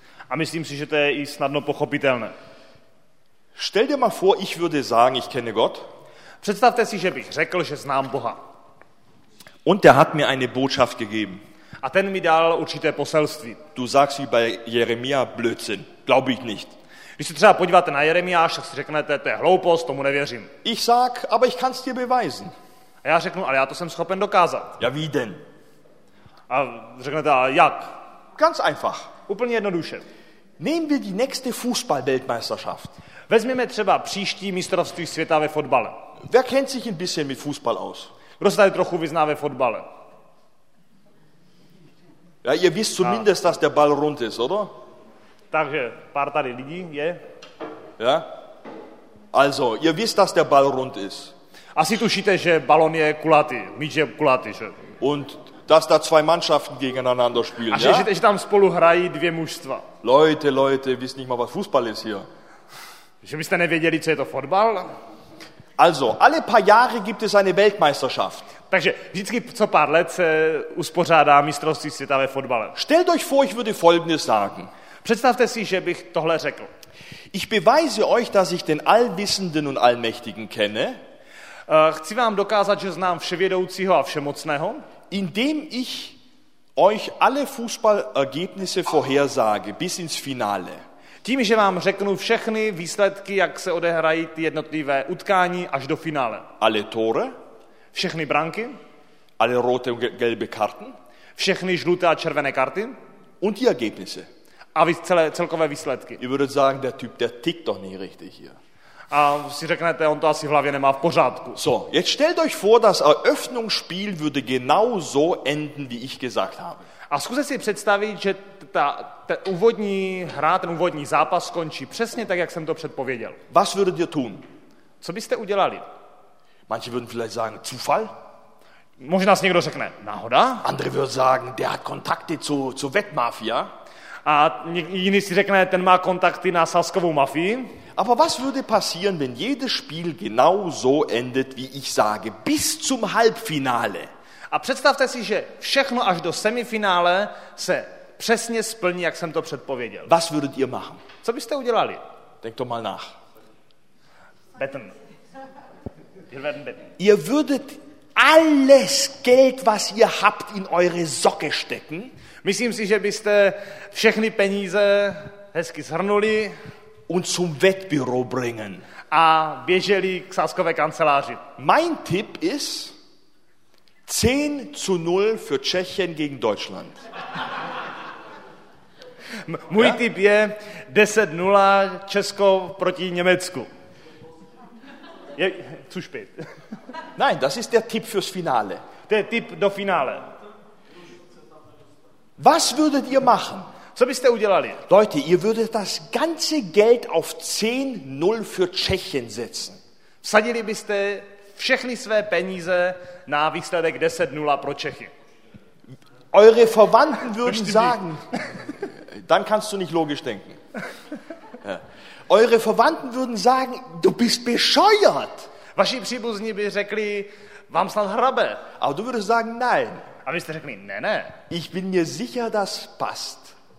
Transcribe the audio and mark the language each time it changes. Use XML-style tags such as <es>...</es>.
<cs>A myslím si, že to je i snadno pochopitelné.</cs> <de>Stell dir mal vor, ich würde sagen, ich kenne Gott.</de> <cs>Představte si, že bych řekl, že znám Boha.</cs> <de>Und der hat mir eine Botschaft gegeben.</de> <cs>A ten mi dal určité poselství.</cs> <de>Du sagst wie bei Jeremia Blödsinn. Glaube ich nicht.</de> <cs>Když se třeba podíváte na Jeremiáš, tak si řeknete, to je hloupost, tomu nevěřím.</cs> <de>Ich sag, aber ich kann's dir beweisen.</de> <cs>A já řeknu, ale já to jsem schopen dokázat.</cs> <de>Ja, wie denn?</de> <cs>A řeknete, a jak?</cs> <de>Ganz einfach.</de> <cs>Úplně jednoduše.</cs> <de>Nehmen wir die nächste Fußball-Weltmeisterschaft.</de> <cs>Vezměme třeba příští mistrovství světa ve fotbale.</cs> <de>Wer kennt sich ein bisschen mit Fußball aus?</de> <cs>Kdo se tady trochu vyzná ve fotbale?</cs> <de>Ja, ihr wisst zumindest, dass der Ball rund ist, oder?</de> <cs>Takže pár tady lidí je.</cs> <de>Ja? Also, ihr wisst, dass der Ball rund ist.</de> <cs>Asi tušíte, že balon je kulatý, míč je kulatý, že?</cs> <de>Und dass da zwei Mannschaften gegeneinander spielen, ja?</de> <cs>A že tam spolu hrají dvě mužstva.</cs> <de>Leute, wisst nicht mal, was Fußball ist hier.</de> <cs>Že byste nevěděli, co je to fotbal?</cs> <de>Also, alle paar Jahre gibt es eine Weltmeisterschaft.</de> <cs>Takže vždycky co pár let se uspořádá mistrovství světa ve fotbale.</cs> <de>Stellt euch vor, ich würde folgendes sagen.</de> <cs>Představte si, že bych tohle řekl.</cs> <de>Ich beweise euch, dass ich den Allwissenden und Allmächtigen kenne.</de> <cs>Chci vám dokázat, že znám vševědoucího a všemocného.</cs> <de>Indem ich euch alle Fußballergebnisse vorhersage bis ins Finale.</de> <cs>Tím, že vám řeknu všechny výsledky, jak se odehrají ty jednotlivé utkání až do finále.</cs> <de>Alle Tore.</de> <cs>Všechny branky.</cs> <de>Alle rote und gelbe Karten.</de> <cs>Všechny žluté a červené karty.</cs> <de>Und die Ergebnisse.</de> <cs>A celkové výsledky.</cs> <de>Ich würde sagen, der Typ, der tickt doch nicht richtig hier.</de> <cs>A si řeknete, on to asi v hlavě nemá v pořádku.</cs> <de>So, jetzt stellt euch vor, das Eröffnungsspiel würde genau so enden, wie ich gesagt habe.</de> <cs>A zkuste si představit, že ta úvodní hra, ten úvodní zápas skončí přesně tak, jak jsem to předpověděl.</cs> <de>Was würdet ihr tun?</de> <cs>Co byste udělali?</cs> <de>Manche würden vielleicht sagen, Zufall?</de> <cs>Možná si někdo řekne, náhoda?</cs> <de>Andere wird sagen, der hat Kontakte zur Wettmafia.</de> <cs>A jiný si řekne, ten má kontakty na sázkovou mafii.</cs> <de>Aber was würde passieren, wenn jedes Spiel genau so endet, wie ich sage, bis zum Halbfinale?</de> <cs>A představte si, že všechno až do semifinále se přesně splní, jak jsem to předpověděl.</cs> <de>Was würdet ihr machen?</de> <cs>Co byste udělali?</cs> <de>Denk doch mal nach. Betten. Wir werden betten. Ihr würdet alles Geld, was ihr habt, in eure Socke stecken.</de> <cs>Myslím si, že byste všechny peníze hezky shrnuli.</cs> <de>Und zum Wettbüro bringen.</de> <cs>A běželi k sázkové kanceláři.</cs> <de>Mein Tipp ist 10:0 für Tschechien gegen Deutschland.</de> <cs>Můj tip je 10:0 Česko proti Německu.</cs> <de>Je zu spät. Nein, das ist der Tipp fürs Finale. Der Tipp</de> <cs>do finale.</cs> <de>Was würdet ihr machen?</de> <cs>Co byste udělali?</cs> <de>Leute, ihr würdet das ganze Geld auf 10:0 für Tschechien setzen.</de> <cs>Vsadili byste všechny své peníze na výsledek 10:0 pro Čechy.</cs> <de>Eure Verwandten würden sagen, dann kannst du nicht logisch denken. Eure Verwandten würden sagen, du bist bescheuert.</de> <cs>Vaši příbuzní by řekli, vám snad hrabe.</cs> <de>Aber du würdest sagen, nein.</de> <cs>A vy jste řekli, ne, ne.</cs> <de>Ich bin mir sicher, das passt.</de>